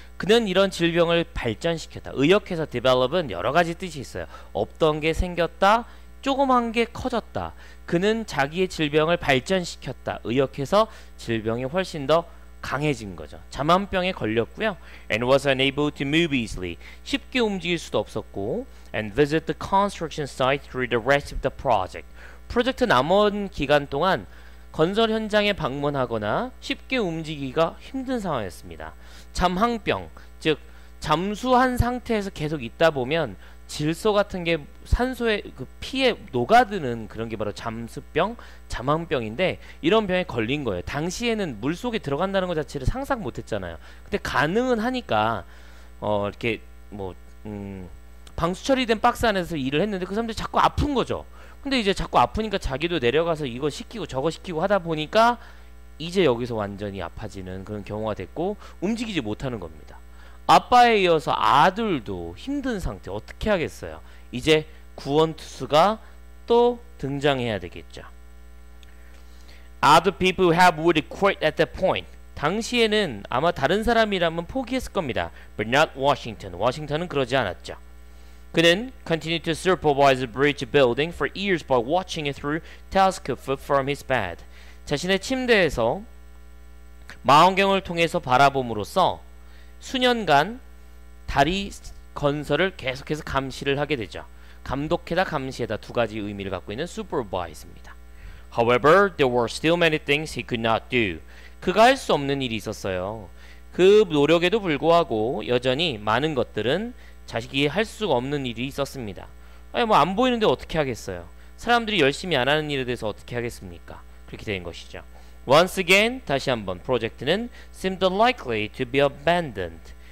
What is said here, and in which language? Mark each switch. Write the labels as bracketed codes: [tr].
[ko] 그는 이런 질병을 발전시켰다. 의역해서 develop은 여러 가지 뜻이 있어요. 없던 게 생겼다, 조그만 게 커졌다. 그는 자기의 질병을 발전시켰다. 의역해서 질병이 훨씬 더 강해진 거죠. 잠안병에 걸렸고요. [en] And was unable to move easily. [ko] 쉽게 움직일 수도 없었고. [en] And visit the construction site through the rest of the project. [ko] 프로젝트 남은 기간 동안 건설 현장에 방문하거나 쉽게 움직이기가 힘든 상황이었습니다. 잠항병, 즉 잠수한 상태에서 계속 있다 보면 질소 같은 게 산소의 그 피에 녹아드는 그런 게 바로 잠수병, 잠항병인데 이런 병에 걸린 거예요. 당시에는 물 속에 들어간다는 것 자체를 상상 못했잖아요. 근데 가능은 하니까 이렇게 뭐 방수 처리된 박스 안에서 일을 했는데 그 사람들이 자꾸 아픈 거죠. 근데 이제 자꾸 아프니까 자기도 내려가서 이거 시키고 저거 시키고 하다 보니까 이제 여기서 완전히 아파지는 그런 경우가 됐고 움직이지 못하는 겁니다. 아빠에 이어서 아들도 힘든 상태 어떻게 하겠어요? 이제 구원투수가 또 등장해야 되겠죠. [en] Other people have would quit at that point. [ko] 당시에는 아마 다른 사람이라면 포기했을 겁니다. [en] But not Washington. [ko] 워싱턴은 그러지 않았죠. 그는 [en] continued to supervise the bridge building for years by watching it through telescope from his bed. [ko] 자신의 침대에서 망원경을 통해서 바라봄으로써 수년간 다리 건설을 계속해서 감시를 하게 되죠. 감독해다 감시해다 두 가지 의미를 갖고 있는 supervise입니다. [en] However, there were still many things he could not do. [ko] 그가 할 수 없는 일이 있었어요. 그 노력에도 불구하고 여전히 많은 것들은 자식이 할 수가 없는 일이 있었습니다. 아니 뭐 안 보이는데 어떻게 하겠어요? 사람들이 열심히 안 하는 일에 대해서 어떻게 하겠습니까? 그렇게 된 것이죠. [en] Once again, [ko] 다시 한번 프로젝트는 [en] seemed unlikely to be abandoned.